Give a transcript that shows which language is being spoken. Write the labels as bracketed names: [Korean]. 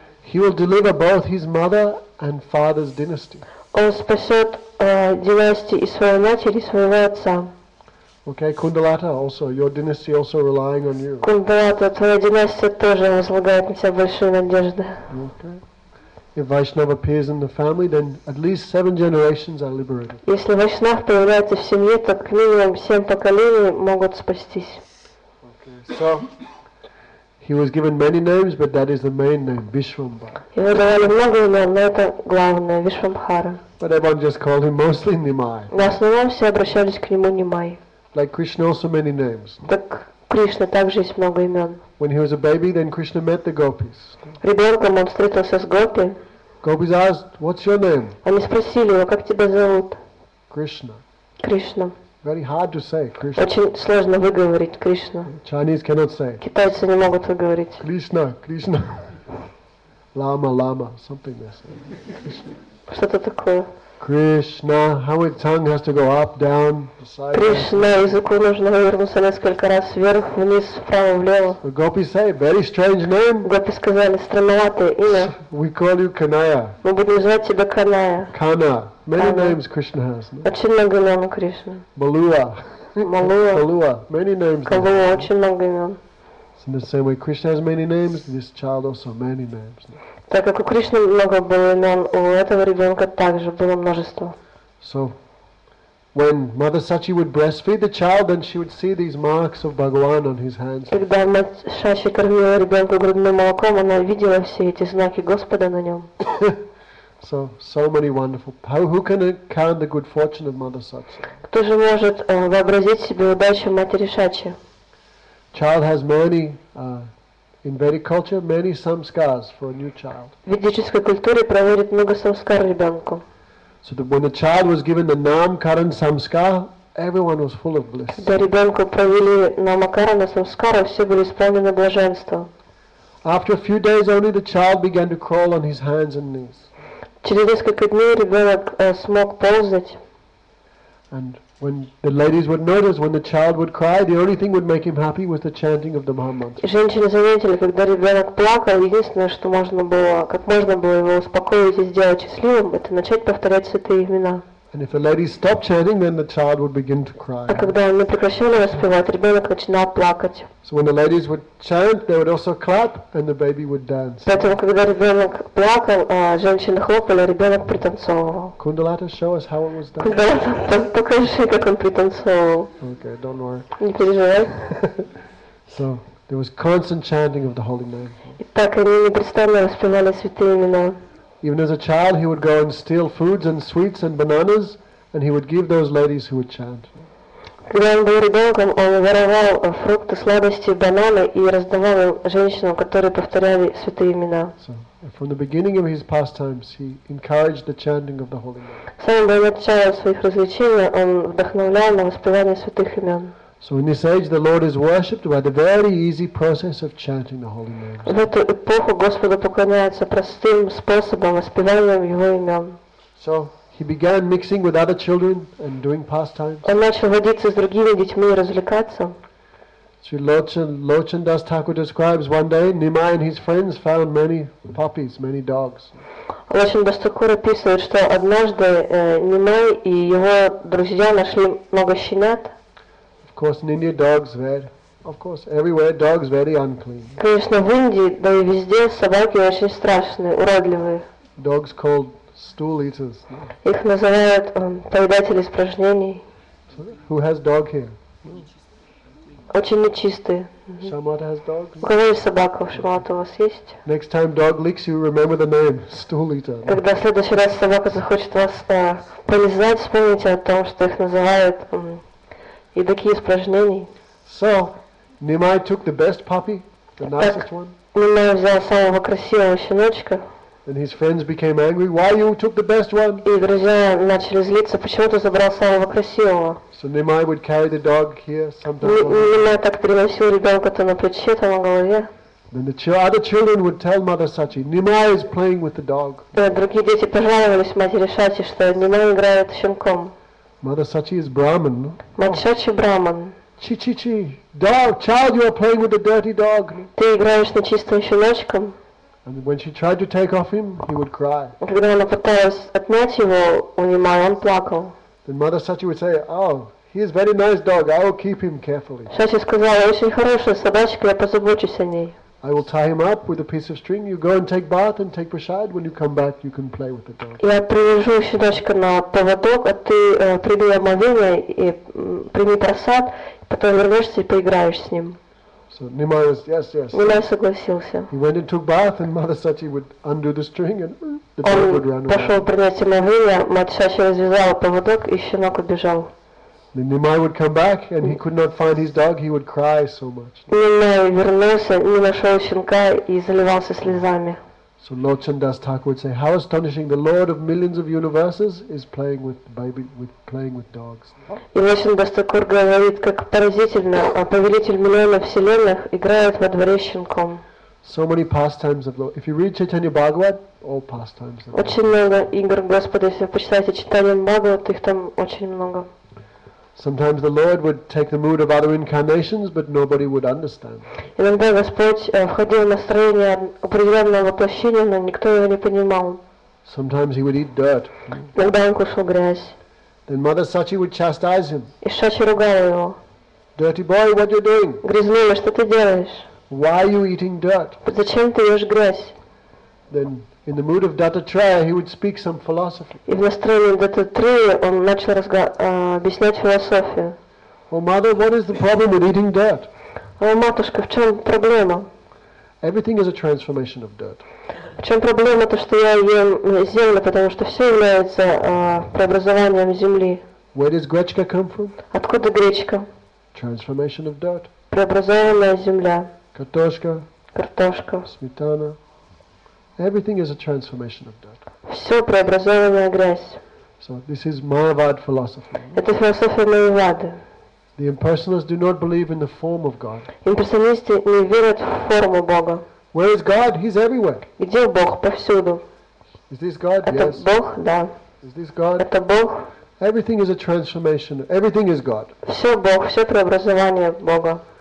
[English] He will deliver both his mother and father's dynasty. [Russian] Он спасет династии и своей матери, и своего отца. [English] Okay, Kundalata, also your dynasty also relying on you. [Russian] Кундалата, твоя династия тоже возлагает на тебя большую надежду. [English] Okay. If Vaishnava appears in the family, then at least 7 generations are liberated. [Russian] Если Вайшнав появляется в семье, то как минимум 7 поколений могут спастись. [English] Okay. So he was given many names, but that is the main name, Vishvambha. [Russian] Ему давали много имен, но это главное, Вишвамбхара. [English] But everyone just called him mostly Nimai. [Russian] В основном все обращались к нему Нимай. [English] Like Krishna, also many names. [Russian] Так Кришна также есть много имен. [English] When he was a baby, then Krishna met the gopis. [Russian] Ребенком он встретился с гопи. [English] Gopis asked, "What's your name?" [Russian] Они спросили его, как тебя зовут? [English] Krishna. [Russian] Krishna. [English] Very hard to say, Krishna. [Russian] Очень сложно выговорить Кришна. [English] Chinese cannot say. [Russian] Китайцы не могут выговорить. [English] Krishna, Krishna. Lama, Lama, something they say. [Russian] Что-то такое. [English] Krishna, how the tongue has to go up, down, beside. [Russian] Krishna, языку нужно вернуться несколько раз вверх, вниз, вправо, влево. [English] The gopis say, very strange name. [Russian] Гопи сказали, странноватое имя. [English] We call you Kanaya. [Russian] Мы будем звать тебя Каная. [English] Kana, many names Krishna has. [Russian] Очень много имен Кришна. [English] Balua. [Russian] Malua. [English] Balua, many names. [Russian] Kalua, очень много имен. [English] In the same way, Krishna has many names. This child also many names. [Russian] Так как у Кришны много было имен, у этого ребенка также было множество. [English] So, when Mother Sachi would breastfeed the child, then she would see these marks of Bhagwan on his hands. [Russian] Когда мать Сачи кормила ребенка грудным молоком, она видела все эти знаки Господа на нем. [English] So many wonderful. Who can count the good fortune of Mother Sachi? [Russian] Кто же может вообразить себе удачу матери Сачи? [English] Child has many. In Vedic culture, many samskars for a new child. [Russian] В ведической культуре проверят много самскар ребенку. [English] So that when the child was given the Namkaran samskar, everyone was full of bliss. [Russian] Когда ребенку провели Намакарана самскара, все были исполнены блаженства. [English] After a few days only, the child began to crawl on his hands and knees. [Russian] Через несколько дней ребенок смог ползать. [English] And when the ladies would notice when the child would cry, the only thing would make him happy was the chanting of the Mahamantra. [Russian] Женщины заметили, когда ребенок плакал, единственное, что можно было, как можно было его успокоить и сделать счастливым, это начать повторять святые имена. [English] And if the ladies stopped chanting, then the child would begin to cry. [Russian] А когда они прекращали распевать, ребенок начинал плакать. [English] So when the ladies would chant, they would also clap, and the baby would dance. [Russian] Поэтому, когда ребенок плакал, женщины хлопали, ребенок пританцовывал. [English] Kundalata, show us how it was done. [Russian] Kundalata, покажи, как он пританцовывал. [English] Okay, don't worry. [Russian] Не переживай. [English] So there was constant chanting of the holy name. [Russian] Итак, они непрестанно распевали святые имена. [English] Even as a child, he would go and steal foods and sweets and bananas, and he would give those ladies who would chant. [Russian] Когда он был ребенком, он воровал фрукты, сладости, бананы и раздавал им женщинам, которые повторяли святые имена. [English] So, from the beginning of his pastimes, he encouraged the chanting of the holy name. [Russian] С самого начала своих развлечений он вдохновлял на воспевание святых имен. [English] So in this age, the Lord is worshipped by the very easy process of chanting the holy names. [Russian] В эту эпоху Господу поклоняются простым способом, воспеванием Его имен. [English] So he began mixing with other children and doing pastimes. [Russian] Он начал водиться с другими детьми и развлекаться. [English] Sri Lochan Das Thakur describes one day Nimai and his friends found many puppies, many dogs. [Russian] Lochan Das Thakur описывает, что однажды Nimai и его друзья нашли много щенят. [English] Of course, in India, dogs very. Of course, everywhere dogs very unclean. [Russian] Конечно, в Индии, да и везде собаки очень страшные, уродливые. [English] Dogs called stool eaters. [Russian] Их называют поедатели испражнений. [English] Who has dog here? [Russian] Очень нечистые. У кого есть собака? В Шамата у вас есть? [English] Next time dog licks you, remember the name, stool eater. [Russian] Когда в следующий раз собака захочет вас полизать, вспомните о том, что их называют едоки испражнений. [English] So, Nimai took the best puppy, the nicest one. [Russian] Nimai взял самого красивого щеночка. [English] And his friends became angry. Why you took the best one? [Russian] И друзья начали злиться. Почему ты забрал самого красивого? [English] So Nimai would carry the dog here sometimes. [Russian] Nimai так приносил ребенка-то на плече, там на голове. [English] Then the other children would tell Mother Sachi, Nimai is playing with the dog. [Russian] Другие дети пожаловались матери Сачи, что Nimai играет с щенком. [English] Mother Sachi is Brahmin. [Russian] Мать Сачи Брахман. [English] Чи-чи-чи, dog, child, you are playing with a dirty dog. [Russian] Ты играешь на чистом щеночком. [English] And when she tried to take off him, he would cry. [Russian] Когда она пыталась отнять его у Nimai, он плакал. [English] Then Mother Sachi would say, "Oh, he is a very nice dog. I will keep him carefully." [Russian] Сачи сказала: "Очень хорошая собачка, я позабочусь о ней." [English] I will tie him up with a piece of string. You go and take bath and take prasad. When you come back, you can play with the dog. [Russian] Я привяжу щеночка на поводок, а ты прими омовение и прими прасад, потом вернешься и поиграешь с ним. [English] So Nimai was yes, yes. [Russian] Nimai согласился. [English] He went and took bath, and Mother Sachi would undo the string, and the dog would run away. [Russian] Он пошел принять омовение, мать Сачи развязала поводок, и щенок убежал. [English] Then Nimai would come back, and he could not find his dog. He would cry so much. [Russian] Nimai вернулся, не нашел щенка и заливался слезами. [English] So Lochan Das Thakur would say, "How astonishing! The Lord of millions of universes is playing with baby, with playing with dogs." [Russian] И Lochan Das Thakur говорит, как поразительно, а повелитель миллионов вселенных играет во дворе щенком. [English] So many pastimes of Lord. If you read Chaitanya Bhagavat, all pastimes. [Russian] Очень много игр Господа. Если вы почитаете Чайтанья Бхагават, их там очень много. [English] Sometimes the Lord would take the mood of other incarnations, but nobody would understand. [Russian] Иногда Господь входил в настроение определенного воплощения, но никто его не понимал. [English] Sometimes he would eat dirt. [Russian] Иногда он кушал грязь. [English] Then Mother Sachi would chastise him. [Russian] И Сачи ругала его. [English] Dirty boy, what are you doing? [Russian] Грязнуля, что ты делаешь? [English] Why are you eating dirt? [Russian] Зачем ты ешь грязь? [English] Then in the mood of Dattatreya, he would speak some philosophy. [Russian] И в настроении Дататрея он начал объяснять философию. [English] Oh, mother, what is the problem with eating dirt? [Russian] О, матушка, в чем проблема? [English] Everything is a transformation of dirt. [Russian] В чем проблема то, что я ем землю, потому что все является преобразованием земли. [English] Where does гречка come from? [Russian] Откуда гречка? [English] Transformation of dirt. [Russian] Преобразованная земля. Картошка. Картошка. [English] Сметана. Everything is a transformation of dirt. [Russian] Все преобразованная грязь. [English] So this is Mayavad philosophy. [Russian] Это философия Майявады. [English] The impersonalists do not believe in the form of God. [Russian] Имперсоналисты не верят в форму Бога. [English] Where is God? He's everywhere. [Russian] Где Бог? Повсюду. [English] Is this God? [Russian] Это [English] yes. [Russian] Бог? Да. [English] Is this God? [Russian] Это Бог. [English] Everything is a transformation. Everything is God. [Russian] Все Бог, все преобразование Бога.